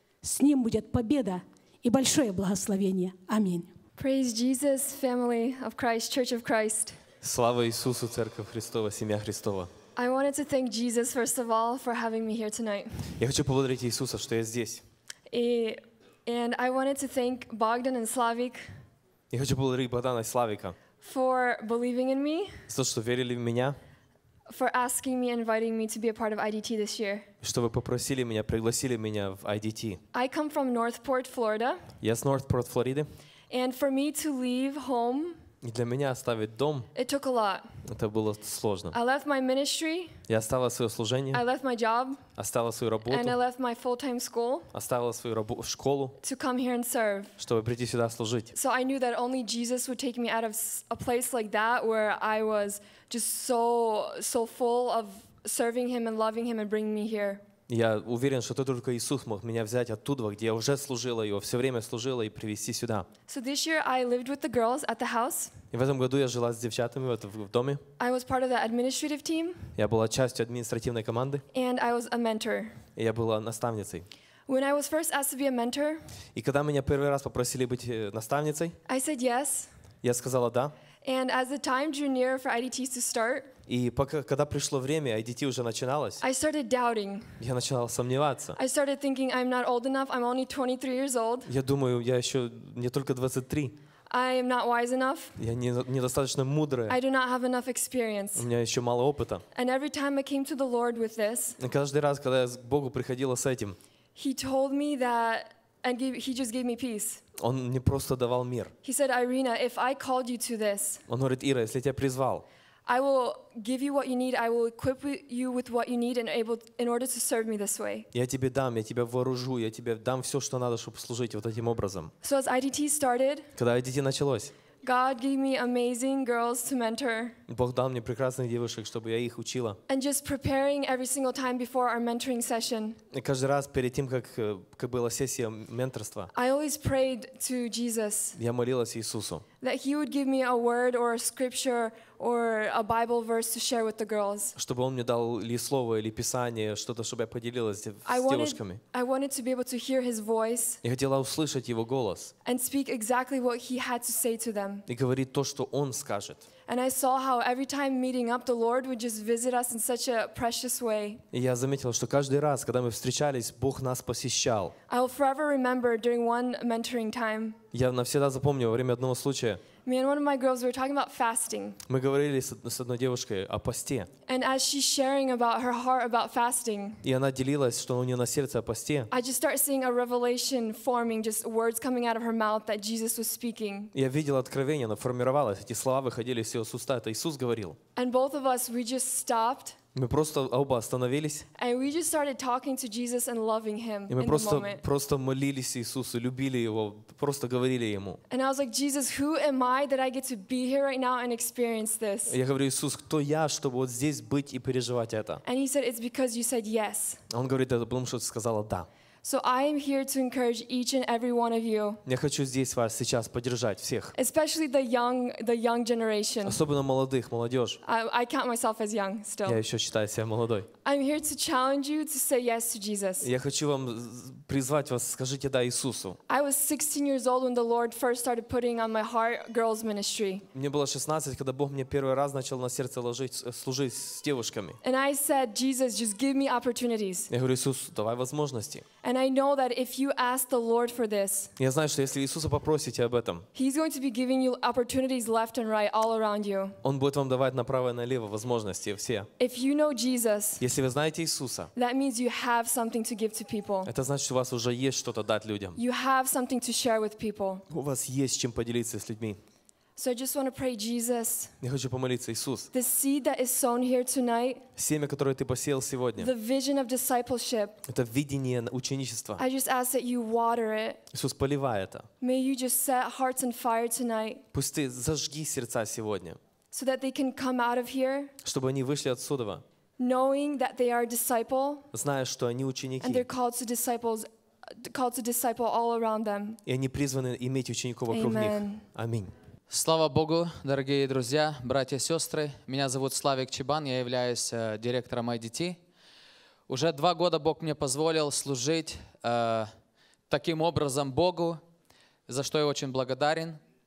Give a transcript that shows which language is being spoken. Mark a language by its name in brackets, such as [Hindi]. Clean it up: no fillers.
[Russian] С Ним будет победа и большое благословение. Аминь. [English] Praise Jesus, family of Christ, Church of Christ. [Russian] Слава Иисусу, Церковь Христова, Семья Христова. [English] I wanted to thank Jesus, first of all, for having me here tonight. [Russian] Я хочу поблагодарить Иисуса, что я здесь. [English] And I wanted to thank Bogdan and Slavik. [Russian] Я хочу поблагодарить Богдана и Славика. [English] For believing in me. [Russian] За то, что верили в меня. [English] For asking me, inviting me to be a part of IDT this year. [Russian] Что вы попросили меня, пригласили меня в IDT. [English] I come from Northport, Florida. [Russian] Я с Northport, Флориды. [English] And for me to leave home. [Russian] И для меня оставить дом. [English] It took a lot. [Russian] Это было сложно. [English] I left my ministry. [Russian] Я оставила свое служение. [English] I left my job. [Russian] Оставила свою работу. [English] And I left my full-time school. [Russian] Оставила свою школу. [English] To come here and serve. [Russian] Чтобы прийти сюда служить. [English] So I knew that only Jesus would take me out of a place like that where I was just so full of serving Him and loving Him and bringing me here. [Russian] Я уверен, что только Иисус мог меня взять оттуда, где я уже служила Его, все время служила, и привести сюда. [English] So this year I lived with the girls at the house. [Russian] И в этом году я жила с девчатами в доме. [English] I was part of the administrative team. [Russian] Я была частью административной команды. [English] And I was a mentor. [Russian] И я была наставницей. [English] When I was first asked to be a mentor, [Russian] и когда меня первый раз попросили быть наставницей, [English] I said yes. [Russian] Я сказала «да». [English] And as the time drew near for IDT to start, [Russian] и пока, когда пришло время, IDT уже начиналось, [English] I started doubting. [Russian] Я начинал сомневаться. [English] I started thinking I'm not old enough. I'm only 23 years old. [Russian] Я думаю, я еще не только 23. [English] I am not wise enough. [Russian] Я недостаточно мудрый. [English] I do not have enough experience. [Russian] У меня еще мало опыта. [English] And every time I came to the Lord with this, [Russian] каждый раз, когда я к Богу приходила с этим, [English] He told me that, and He just gave me peace. [Russian] Он мне просто давал мир. [English] He said, Irina, if I called you to this, [Russian] он говорит, Ира, если я тебя призвал, [English] I will give you what you need. I will equip you with what you need and able in order to serve me this way. [Russian] Я тебе дам, я тебя вооружу, я тебе дам все, что надо, чтобы служить вот этим образом. [English] So as IDT started. [Russian] Когда IDT началось. [English] God gave me amazing girls to mentor. [Russian] Бог дал мне прекрасных девушек, чтобы я их учила. [English] And just preparing every single time before our mentoring session. [Russian] И каждый раз перед тем, как была сессия менторства. [English] I always prayed to Jesus. [Russian] Я молилась Иисусу. [English] That he would give me a word or a scripture or a Bible verse to share with the girls. [Russian] Чтобы он мне дал ли слово или писание, что-то, чтобы я поделилась с девушками. [English] I wanted to be able to hear his voice. [Russian] Я хотела услышать его голос. [English] And speak exactly what he had to say to them. [Russian] И говорить то, что он скажет. [English] And I saw how every time meeting up, the Lord would just visit us in such a precious way. [Russian] Я заметила, что каждый раз, когда мы встречались, Бог нас посещал. [English] I will forever remember during one mentoring time. [Russian] Я навсегда запомню во время одного случая. [English] Me and one of my girls were talking about fasting. [Russian] Мы говорили с одной девушкой о посте. [English] And as she's sharing about her heart about fasting, [Russian] и она делилась, что у нее на сердце о посте. [English] I just start seeing a revelation forming, just words coming out of her mouth that Jesus was speaking. [Russian] Я видел откровение, оно формировалось, эти слова выходили из ее уста, это Иисус говорил. [English] And both of us, we just stopped. [Russian] Мы просто оба остановились. [English] And we just started talking to Jesus and loving him. [Russian] И мы просто молились Иисусу, любили его, просто говорили ему. [English] And I was like, Jesus, who am I that I get to be here right now and experience this? [Russian] Я говорю, Иисус, кто я, чтобы вот здесь быть и переживать это? [English] And he said, it's because you said yes. [Russian] Он говорит, это потому что ты сказала да. [English] So I am here to encourage each and every one of you. [Russian] Я хочу здесь вас сейчас поддержать всех. [English] Especially the young generation. [Russian] Особенно молодых, молодежь. [English] I count myself as young still. [Russian] Я еще считаю себя молодой. [English] I'm here to challenge you to say yes to Jesus. [Russian] Я хочу вам призвать вас, скажите да Иисусу. [English] I was 16 years old when the Lord first started putting on my heart girls ministry. [Russian] Мне было 16, когда Бог мне первый раз начал на сердце ложить служить с девушками. [English] And I said, Jesus, just give me opportunities. [Russian] Я говорю, Иисус, давай возможности. [English] And I know that if you ask the Lord for this, [Russian] я знаю, что если Иисуса попросите об этом, [English] He's going to be giving you opportunities left and right all around you. [Russian] Он будет вам давать направо и налево возможности все. [English] If you know Jesus, [Russian] если вы знаете Иисуса, [English] that means you have something to give to people. [Russian] Это значит, что у вас уже есть что-то дать людям. [English] You have something to share with people. [Russian] У вас есть чем поделиться с людьми. [English] So I just want to pray, Jesus. [Russian] Я хочу помолиться, Иисус. [English] The seed that is sown here tonight. [Russian] Семя, которое ты посеял сегодня. [English] The vision of discipleship. [Russian] Это видение ученичества. [English] I just ask that you water it. [Russian] Иисус, поливай это. [English] May you just set hearts on fire tonight. [Russian] Пусть ты зажги сердца сегодня. [English] So that they can come out of here. [Russian] Чтобы они вышли отсюда. [English] Knowing that they are disciple. [Russian] Зная, что они ученики. [English] And they're called to disciple all around them. [Russian] И они призваны иметь учеников вокруг [English] Amen. [Russian] Них. Аминь. Слава Богу, дорогие друзья, братья и сестры. Меня зовут Славик Чебан, я являюсь директором IDT. Уже 2 года Бог мне позволил служить таким образом Богу, за что я очень благодарен.